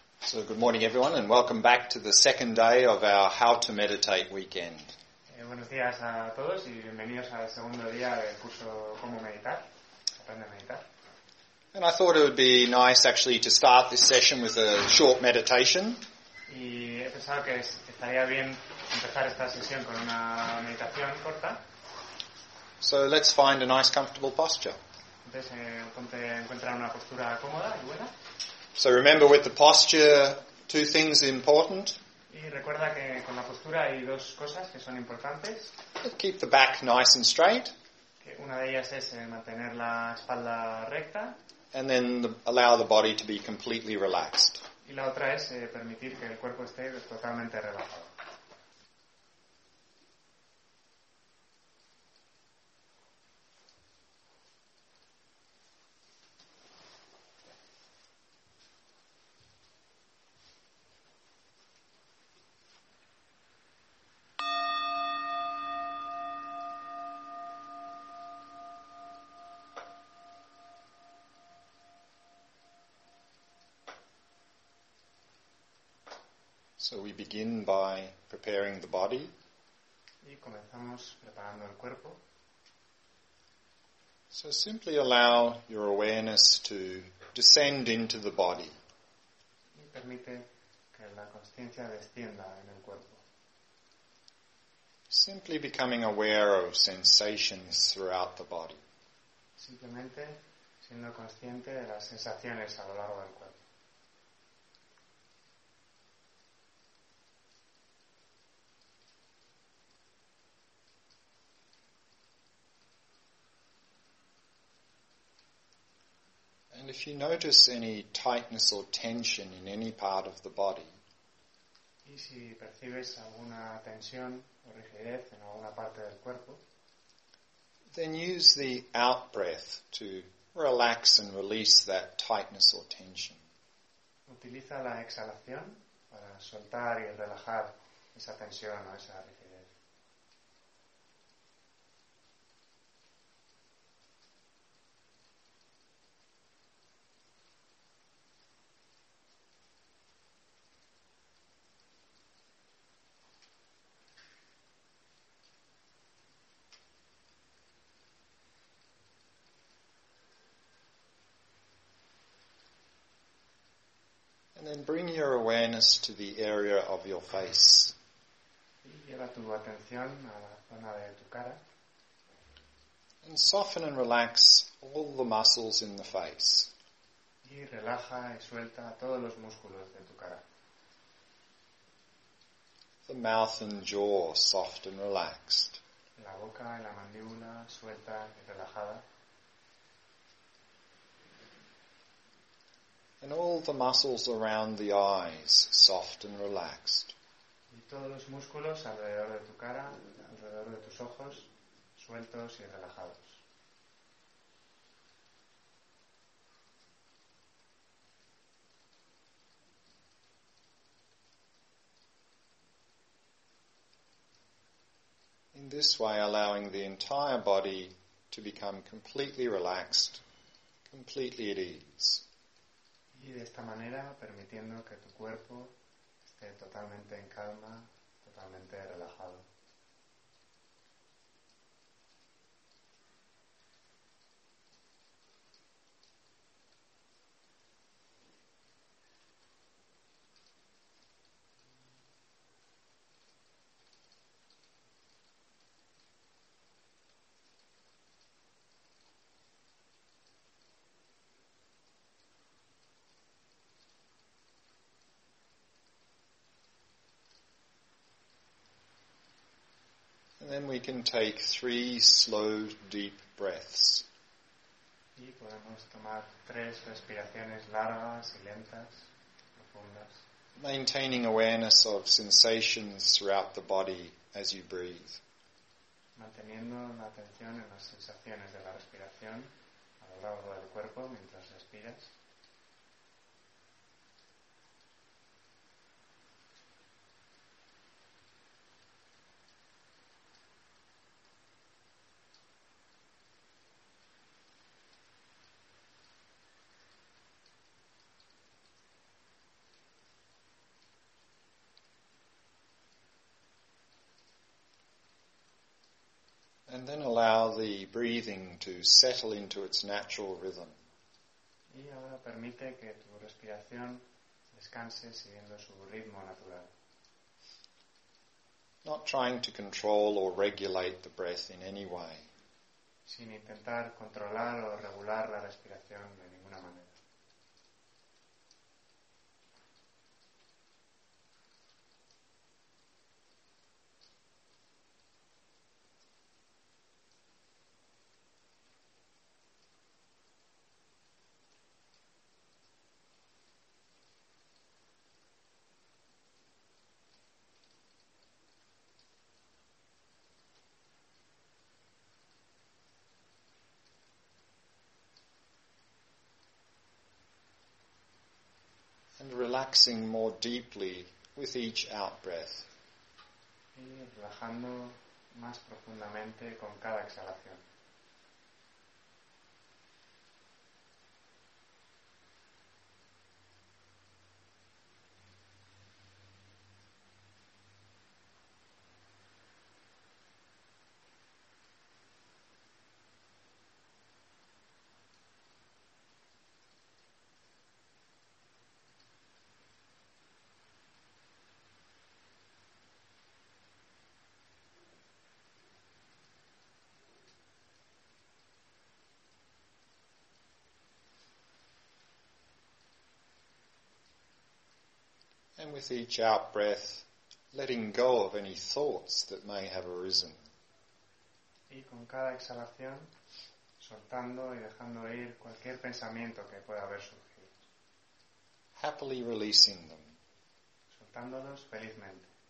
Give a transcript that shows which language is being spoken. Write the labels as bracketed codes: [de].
[en] So good morning, everyone, and welcome back to the second day of our How to Meditate weekend. [es] Buenos días a todos y bienvenidos al segundo día del curso Cómo Meditar, Aprende a Meditar. [en] And I thought it would be nice actually to start this session with a short meditation. [es] Y he pensado que estaría bien empezar esta sesión con una meditación corta. [en] So let's find a nice comfortable posture. [es] Entonces, ponte a encontrar una postura cómoda y buena. [en] So remember with the posture, two things important. [es] Y recuerda que con la postura hay dos cosas que son importantes. [en] Keep the back nice and straight. [es] Que una de ellas es mantener la espalda recta. [en] And then allow the body to be completely relaxed. [es] Y la otra es permitir que el cuerpo esté totalmente relajado. [en] So we begin by preparing the body. [es] Y comenzamos preparando el cuerpo. [en] So simply allow your awareness to descend into the body. [es] Y permite que la consciencia descienda en el cuerpo. [en] Simply becoming aware of sensations throughout the body. [es] Simplemente siendo consciente de las sensaciones a lo largo del cuerpo. [en] If you notice any tightness or tension in any part of the body, [es] y si percibes alguna tensión o rigidez en alguna parte del cuerpo, [en] then use the out-breath to relax and release that tightness or tension. [es] Utiliza la exhalación para soltar y relajar esa tensión o esa rigidez. [en] And bring your awareness to the area of your face. [es] Y lleva tu atención a la zona de tu cara. [en] And soften and relax all the muscles in the face. [es] Y relaja y suelta todos los músculos de tu cara. [en] The mouth and jaw soft and relaxed. [es] La boca y la mandíbula suelta y relajada. [en] And all the muscles around the eyes, soft and relaxed. [es] Y todos los músculos alrededor de tu cara, alrededor de tus ojos, sueltos y relajados. [en] In this way, allowing the entire body to become completely relaxed, completely at ease. [es] Y de esta manera, permitiendo que tu cuerpo esté totalmente en calma, totalmente relajado. [en] Then we can take three slow, deep breaths. [es] Y podemos tomar tres respiraciones largas y lentas, profundas. [en] Maintaining awareness of sensations throughout the body as you breathe. [es] Manteniendo la atención en las sensaciones de la respiración a lo largo del cuerpo mientras respiras. [en] And then allow the breathing to settle into its natural rhythm. [es] Y ahora permite que tu respiración descanse siguiendo su ritmo natural. [en] Not trying to control or regulate the breath in any way. [es] Sin intentar controlar o regular la respiración de ninguna manera. [en] And relaxing more deeply with each out-breath. [es] Y relajando más profundamente con cada exhalación. [en] And with each out-breath, letting go of any thoughts that may have arisen. [es] Y con cada exhalación, soltando y dejando ir cualquier pensamiento que pueda haber surgido. [en] Happily releasing them. [es] Soltándolos felizmente.